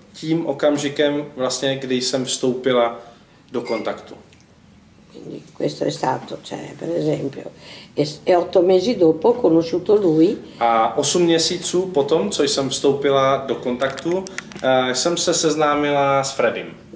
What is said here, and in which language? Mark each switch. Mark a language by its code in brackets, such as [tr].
[cs] tím okamžikem, vlastně, kdy jsem vstoupila do kontaktu. [it] Questo è stato, cioè, per esempio, e 8 mesi dopo ho conosciuto lui. [cs] A 8 měsíců potom, co jsem vstoupila do kontaktu, jsem se seznámila s Fredim.